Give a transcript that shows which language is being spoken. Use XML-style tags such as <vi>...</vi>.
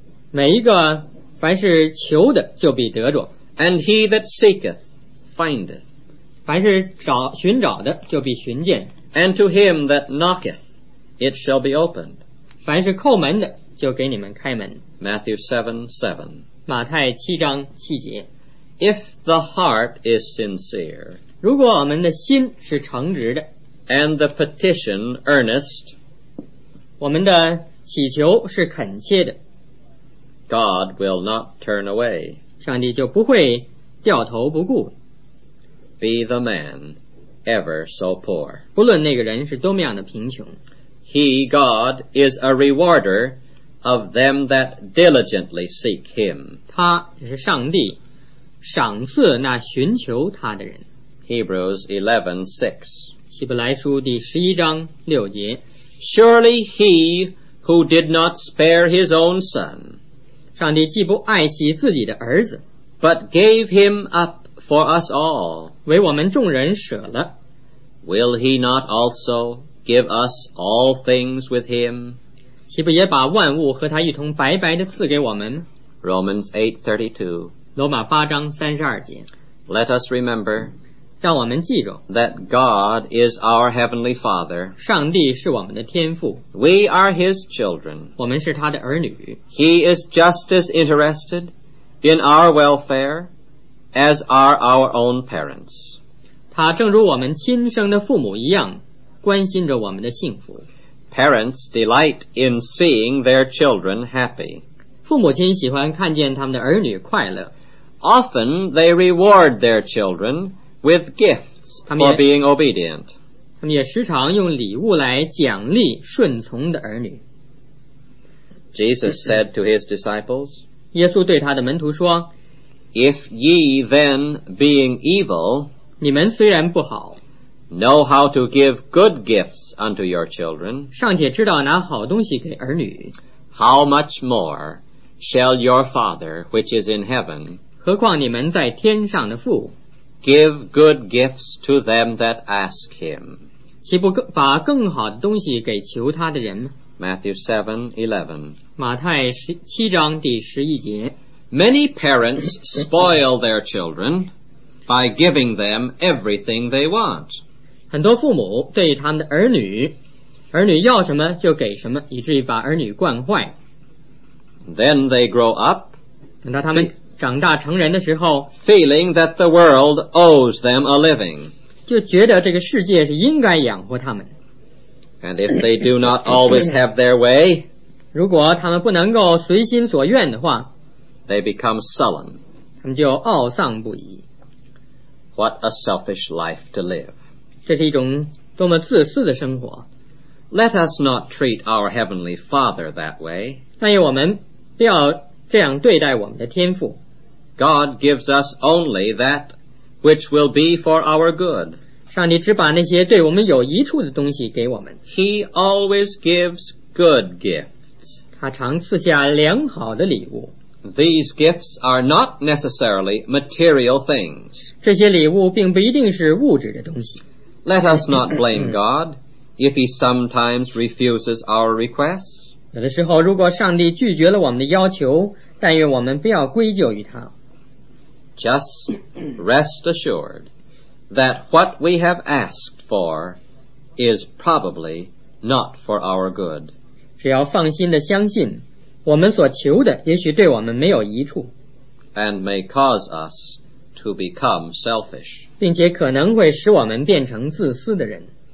<zh>每一个凡是求的就必得着。</zh> <en>And he that seeketh findeth.</en> <zh>凡是找寻找的就必寻见。</zh> <en>And to him that knocketh it shall be opened.</en> <zh>凡是叩门的就给你们开门。</zh> <en>Matthew 7:7.</en> <zh>马太七章七节。</zh> <en>If the heart is sincere,</en> <zh>如果我们的心是诚实的，</zh> <en>and the petition earnest,</en> <zh>我们的祈求是恳切的，</zh> <en>God will not turn away.</en> <zh>上帝就不会掉头不顾。</zh> <en>Be the man ever so poor.</en> <zh>不论那个人是多么样的贫穷。</zh> <en>He, God, is a rewarder,of them that diligently seek him.</en> <zh>他就是上帝赏赐那寻求他的人。</zh> <en>Hebrews 11:6.</en> <zh>希伯来书第十一章六节。</zh> <en>Surely he who did not spare his own son,</en> <zh>上帝既不爱惜自己的儿子，</zh> <en>but gave him up for us all,</en> <zh>为我们众人舍了，</zh> <en>will he not also give us all things with him?</en> <zh>岂不也把万物和他一同白白地赐给我们？</zh> <en>Romans 8:32.</en> <zh>罗马八章三十二节。</zh> <en>Let us remember,</en> <zh>让我们记住，</zh> <en>that God is our heavenly Father.</en> <zh>上帝是我们的天父。</zh> <en>We are his children.</en> <zh>我们是他的儿女。</zh> <en>He is just as interested in our welfare as are our own parents.</en> <zh>他正如我们亲生的父母一样，关心着我们的幸福。</zh> <en>Parents delight in seeing their children happy.</en> <zh>父母亲喜欢看见他们的儿女快乐。</zh> <en>Often they reward their children with gifts for being obedient.</en> <zh>他们也时常用礼物来奖励顺从的儿女。</zh> <en>Jesus said to his disciples,</en> <zh>耶稣对他的门徒说，</zh> <en>If ye then being evil,</en> <zh>你们虽然不好，</zh> <en>Know how to give good gifts unto your children.</en> <zh>尚且知道拿好东西给儿女。</zh> <en>How much more shall your Father which is in heaven,</en> <zh>何况你们在天上的父，</zh> <en>give good gifts to them that ask him.</en> <zh>岂不把更好的东西给求他的人？</zh> <en>Matthew 7:11.</en> <zh>马太七章第十一节。</zh> <en>Many parents spoil their children by giving them everything they want.</en> <zh>很多父母对他们的儿女要什么就给什么，以至于把儿女惯坏。</zh> <en>Then they grow up</en> <zh>等到他们长大成人的时候</zh> <en>feeling that the world owes them a living</en> <zh>就觉得这个世界是应该养活他们</zh> <en>and if they do not always have their way</en> <zh>如果他们不能够随心所愿的话</zh> <en>they become sullen</en> <zh>他们就懊丧不已</zh> <en>what a selfish life to live</en> <zh>这是一种多么自私的生活</zh> <en>let us not treat our heavenly father that way</en> <zh>但愿我们不要这样对待我们的天父</zh> <en>God gives us only that which will be for our good</en> <zh>上帝只把那些对我们有益处的东西给我们</zh> <en>He always gives good gifts</en> <zh>他常赐下良好的礼物</zh> <en>These gifts are not necessarily material things</en> <zh>这些礼物并不一定是物质的东西</zh> <en>Let us not blame God if he sometimes refuses our requests</en> <zh>有的时候如果上帝拒绝了我们的要求但愿我们不要归咎于他</zh> <en>Just rest assured that what we have asked for is probably not for our good</en> <zh>只要放心地相信我们所求的也许对我们没有益处</zh> <en>And may cause us to become selfish</en> <zh>并且可能会使我们变成自私的人</zh>